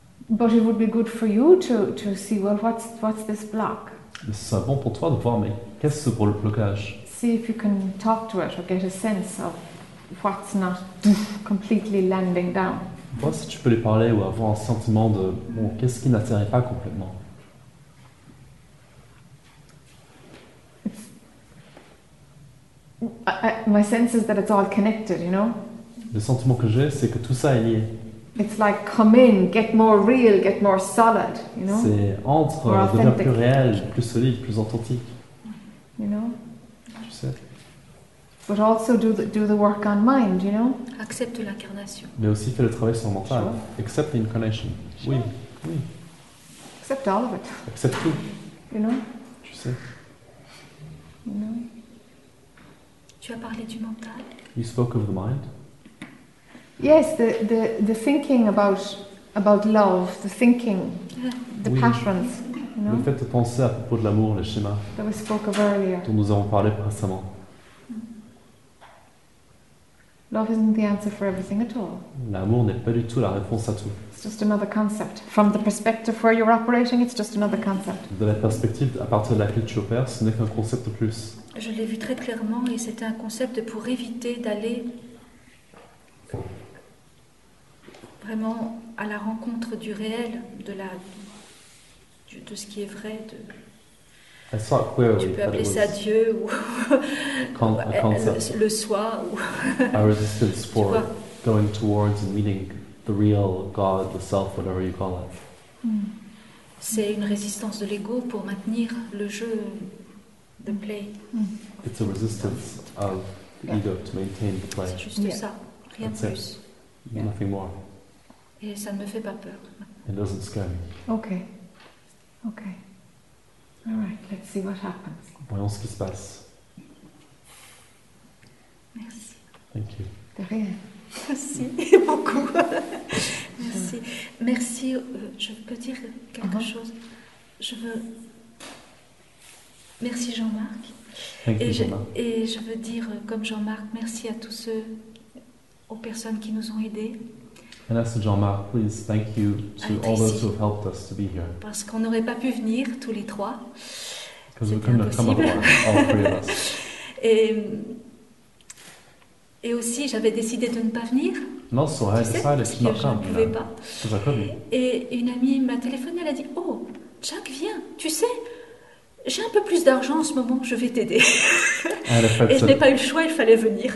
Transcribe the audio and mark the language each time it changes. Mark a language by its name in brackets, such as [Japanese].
[English] But it would be good for you to see, well, what's this block? [French] Mais ce serait bon pour toi de voir, mais qu'est-ce que ce blocage? [English] See if you can talk to it or get a sense of what's not completely landing down. [French] Vois si tu peux lui parler ou avoir un sentiment de, bon, qu'est-ce qui n'atterrit pas complètement? [English] My sense is that it's all connected, you know. [French] Le sentiment que j'ai, c'est que tout ça est lié. [English] It's like come in, get more real, get more solid, you know. [French] C'est entre, devenir plus réel, plus solide, plus authentique. [English] You know. [French] Tu sais. [English] But also do the work on mind, you know. [French] Accepte l'incarnation. Mais aussi fais le travail sur le mental. [English] Sure. Accept the incarnation. Sure. [French] Oui. Oui. [English] Accept all of it. [French] Accepte tout. [English] You know. Tu sais. You know. [French] Tu as parlé du mental. [English] You spoke of the mind. Yes, the thinking about love, the thinking, the [French] oui. [English] Patterns. You know? [French] Le fait de penser à propos de l'amour, les schémas. [English] That we spoke of earlier. [French] Dont nous avons parlé récemment. [English] Love isn't the answer for everything at all. L'amour n'est pas du tout la réponse à tout. It's just another concept. From the perspective where you're operating, it's just another concept. [French] De la perspective à partir de laquelle tu opères, ce n'est qu'un concept de plus. Je l'ai vu très clairement et c'était un concept pour éviter d'aller vraiment à la rencontre du réel, de ce qui est vrai. [English] I saw it clearly, [French] tu peux appeler ça Dieu ou le soi. [English] I resisted for going towards and meeting the real God, the self, whatever you call it. [French] C'est une résistance de l'ego pour maintenir le jeu. [English] The play. Mm. It's a resistance of the ego to maintain the play. [French] C'est juste ça, rien de plus. [English] Yeah. Nothing more. [French] Et ça ne me fait pas peur. [English] It doesn't scare me. Okay. Okay. All right, let's see what happens. [French] Voyons ce qui se passe. Merci. [English] Thank you. [French] De rien. Merci beaucoup. Merci. Merci. Je peux dire quelque chose? Je veux... Merci Jean-Marc. Et je veux dire, comme Jean-Marc, merci à tous ceux, aux personnes qui nous ont aidés. [English] And as Jean-Marc, please thank you to all those who have helped us to be here. [French] Parce qu'on n'aurait pas pu venir tous les trois. [English] Because we couldn't have come otherwise, all three of us. [French] Et aussi, j'avais décidé de ne pas venir. [English] Non, so I decided to not come. [French] Je ne pouvais pas. Et une amie m'a téléphoné, elle a dit, oh, Jack, viens, tu sais. J'ai un peu plus d'argent en ce moment, je vais t'aider. Et je n'ai pas eu le choix, il fallait venir.